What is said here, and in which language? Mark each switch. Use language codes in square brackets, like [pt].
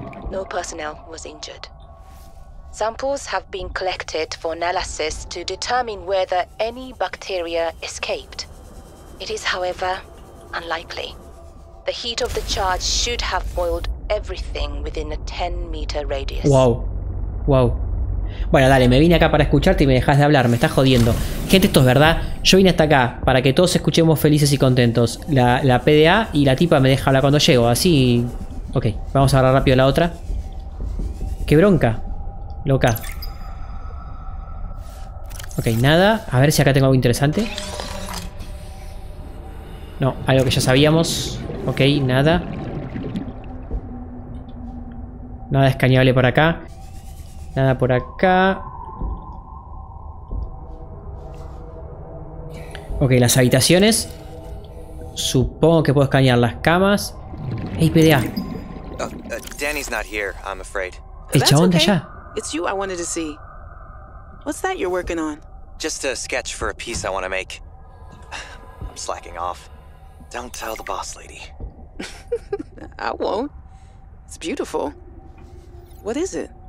[en] No personnel was injured. Samples have been collected for analysis to determine whether any bacteria escaped. It is, however, unlikely. The heat of the charge should have boiled everything within a 10-meter radius. Wow. Wow. [es] Bueno, dale, me vine acá para escucharte y me dejas de hablar, me estás jodiendo. Gente, esto es verdad. Yo vine hasta acá para que todos escuchemos felices y contentos. La PDA y la tipa me deja hablar cuando llego, así... Ok, vamos a agarrar rápido la otra. ¡Qué bronca! Loca. Ok, nada. A ver si acá tengo algo interesante. No, algo que ya sabíamos. Ok, nada. Nada escaneable por acá. Nada por acá. Ok, las habitaciones. Supongo que puedo escanear las camas. [en] Hey, PDA. Danny's not here, I'm afraid. [es] El chabón de allá. [en] It's you I wanted to see. What's that you're working on? Just a sketch for a piece I want to make. I'm slacking off. Don't tell the boss lady. I won't. It's beautiful. What is it?